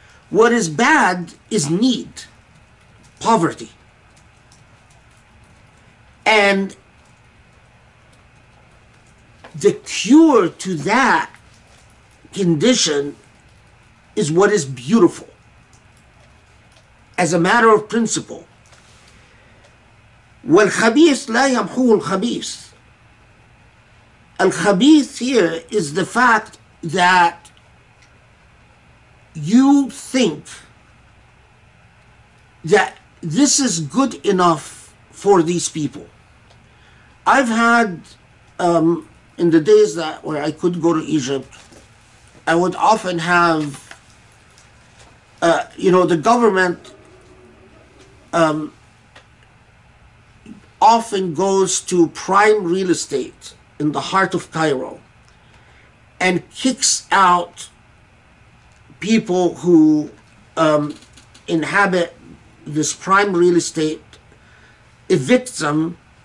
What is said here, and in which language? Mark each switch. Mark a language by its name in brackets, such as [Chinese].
[English] What is bad is need, poverty. And the cure to that condition is what is beautiful. As a matter of principle, [Arabic] والخبيث لا يمحو الخبيث. [English] الخبيث here is the fact that you think that this is good enough for these people. I've had, in the days that where I could go to Egypt, I would often have, you know, the government often goes to prime real estate in the heart of Cairo and kicks out people who inhabit this prime real estate, evicts them.